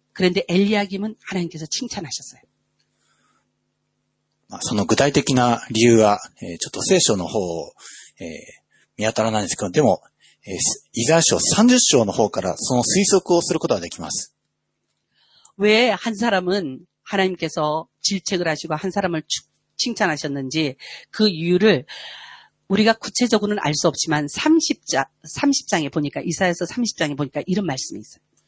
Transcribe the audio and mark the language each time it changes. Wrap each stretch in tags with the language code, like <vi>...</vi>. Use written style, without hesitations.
<ko>그런데 엘리야김은 하나님께서 칭찬하셨어요.</ko> <ja>その具体的な理由はちょっと聖書の方を見当たらないんですけど、でもイザヤ書30章の方からその推測をすることができます。</ja> <ko>왜 한 사람은 하나님께서 질책을 하시고 한 사람을 칭찬하셨는지 그 이유를 우리가 구체적으로는 알 수 없지만 30장에 보니까 이사야서 30장에 보니까 이런 말씀이 있어요.</ko>